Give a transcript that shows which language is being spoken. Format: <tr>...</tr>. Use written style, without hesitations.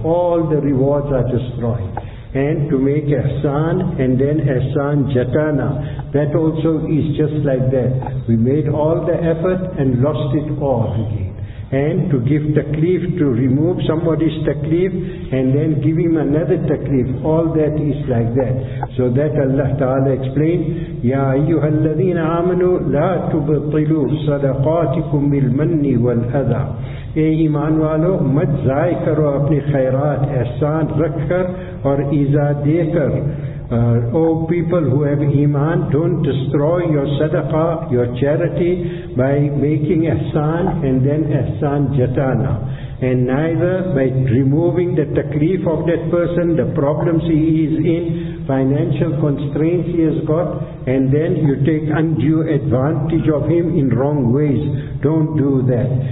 <en>All the rewards are destroyed. And to make ihsan and then ihsan jatana, that also is just like that. We made all the effort and lost it all again. And to give taklif, to remove somebody's taklif, and then give him another taklif, all that is like that. So that Allah Ta'ala explained,</en> <ar>يَا أَيُّهَا الَّذِينَ آمَنُوا لَا تُبْطِلُوا صَدَقَاتِكُمْ بِالْمَنِّ وَالْأَذَى.</ar> <ur>اے ایمان والو، مت ضائع کرو اپنی خیرات، احسان رکھ کر اور ایزا دے کر.</ur> <en>Oh people who have iman, don't destroy your sadaqah, your charity, by making ihsan and then ihsan jatana. And neither by removing the taklif of that person, the problems he is in, financial constraints he has got, and then you take undue advantage of him in wrong ways. Don't do that.</en>